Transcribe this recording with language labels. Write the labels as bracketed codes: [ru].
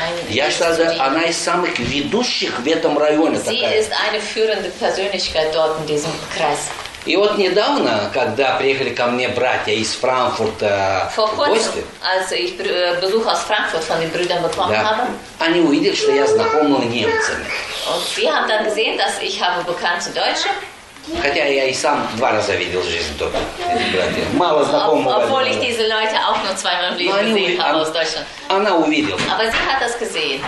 [ru] Я считаю, она из самых ведущих в этом районе. [de] Sie ist eine führende Persönlichkeit dort in diesem Kreis. [ru] И вот недавно, когда приехали ко мне братья из Франкфурта гости, [de] als ich Besuch aus Frankfurt von den Brüdern bekommen [ru] да, [de] habe, [ru] они увидели, что я знаком с немцами. [de] Und sie haben dann gesehen, dass ich habe bekannte Deutsche. [ru] Хотя я и сам два раза видел в жизни только этих братьев. Мало знакомых. [de] Obwohl ich diese Leute auch nur zweimal [ru] в жизни [de] gesehen habe aus Deutschland. [ru] Она увидела. [de] Aber sie hat das gesehen.